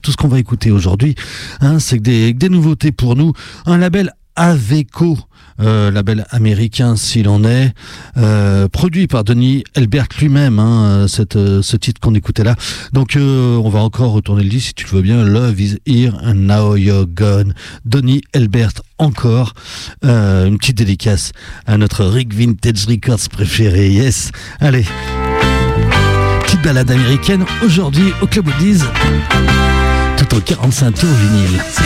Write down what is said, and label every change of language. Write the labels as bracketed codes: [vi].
[fr] Tout ce qu'on va écouter aujourd'hui, hein, c'est des nouveautés pour nous. Un label Aveco. Label américain s'il en est, produit par Denis Elbert lui-même, hein, ce titre qu'on écoutait là. Donc on va encore retourner le disque si tu le veux bien. [en] Love is here and now you're gone. [fr] Denis Elbert encore. Une petite dédicace à notre Rick Vintage Records préféré. Yes, allez, petite balade américaine aujourd'hui au Club Oldies, tout au 45 tours vinyle.